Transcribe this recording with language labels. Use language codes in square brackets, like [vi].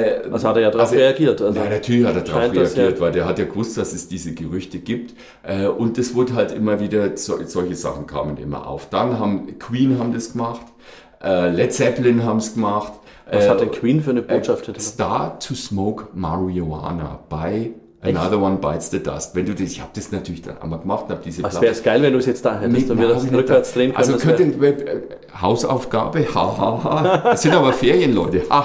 [de] Was hat er ja darauf reagiert? Also, na, natürlich hat er darauf reagiert, weil der hat ja gewusst, dass es diese Gerüchte gibt. Und es wurde halt immer wieder, solche Sachen kamen immer auf. Dann haben Queen haben das gemacht. Led Zeppelin haben es gemacht. Was hat der Queen für eine Botschaft? [en] Start to smoke marijuana by another one bites the dust. [de] Wenn du das, ich habe das natürlich dann einmal gemacht und habe diese Platte. Was wäre es geil, wenn du es jetzt da hättest und wir das rückwärts drehen können. Also könnte Hausaufgabe, das sind aber Ferien, Leute.